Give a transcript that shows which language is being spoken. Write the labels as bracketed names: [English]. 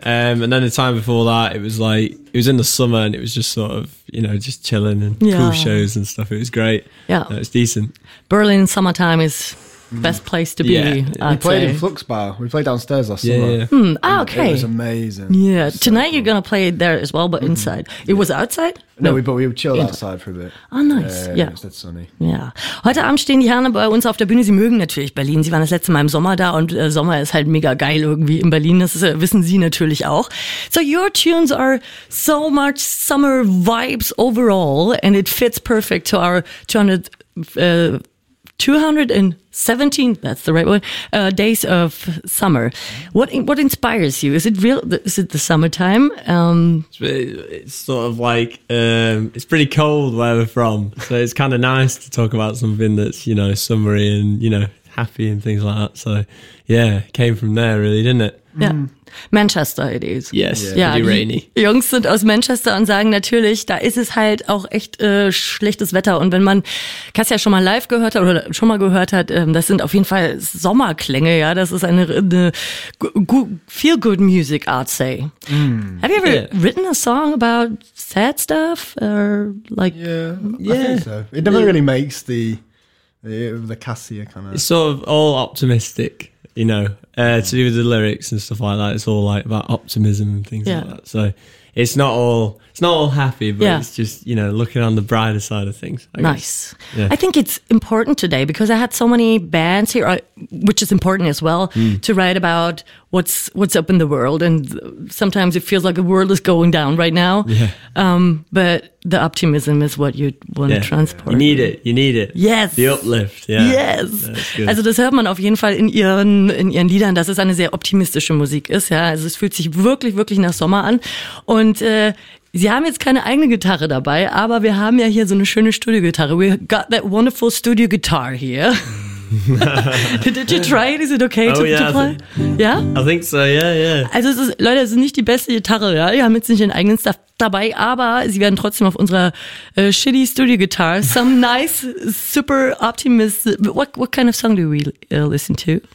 [English] And then the time before that, it was like, it was in the summer and it was just sort of, you know, just chilling and cool shows and stuff. It was great. Yeah. It was decent. Berlin summertime is best place to be. Yeah. We played in Flux Bar. We played downstairs last summer. Yeah. Mm. Oh, okay. It was amazing. Yeah. So tonight cool. You're going to play there as well, but inside. Mm-hmm. It was outside? No, we chilled outside for a bit. Oh, nice. It's sunny. Yeah. [German] Heute Abend stehen die Herren bei uns auf der Bühne. Sie mögen natürlich Berlin. Sie waren das letzte Mal im Sommer da und Sommer ist halt mega geil irgendwie in Berlin. Das ist, wissen Sie natürlich auch. [English] So your tunes are so much summer vibes overall and it fits perfect to our 217, that's the right one, days of summer. What inspires you? Is it real? Is it the summertime? It's sort of like, it's pretty cold where we're from. So it's kind of nice to talk about something that's, you know, summery and, you know, happy and things like that. So, yeah, came from there really, didn't it? Yeah. Manchester it is. Yes, pretty rainy. [German] Jungs sind aus Manchester und sagen natürlich, da ist es halt auch echt schlechtes Wetter. Und wenn man Cassia schon mal live gehört hat oder schon mal gehört hat, das sind auf jeden Fall Sommerklänge, ja. Das ist eine [English] feel-good music, I'd say. Mm. Have you ever written a song about sad stuff? Or like, I think so. It never really makes the Cassia kind of... It's sort of all optimistic. You know, to do with the lyrics and stuff like that, it's all like about optimism and things like that. So it's not all happy, but it's just, you know, looking on the brighter side of things. I think it's important today because I had so many bands here, which is important as well, to write about what's up in the world. And sometimes it feels like the world is going down right now. Yeah. But the optimism is what you want to transport. You need it. Yes. The uplift. Yeah. Yes. [German] Also das hört man auf jeden Fall in ihren Liedern, dass es eine sehr optimistische Musik ist. Ja. Also es fühlt sich wirklich, wirklich nach Sommer an. Und Sie haben jetzt keine eigene Gitarre dabei, aber wir haben ja hier so eine schöne Studio-Gitarre. [English] We got that wonderful studio guitar here. Did you try it? Is it okay to play? I think so, yeah. [German] Also Leute, es ist nicht die beste Gitarre, ja. Wir haben jetzt nicht den eigenen Stuff dabei, aber sie werden trotzdem auf unserer [English] shitty studio guitar some nice, super optimist. What kind of song do we listen to?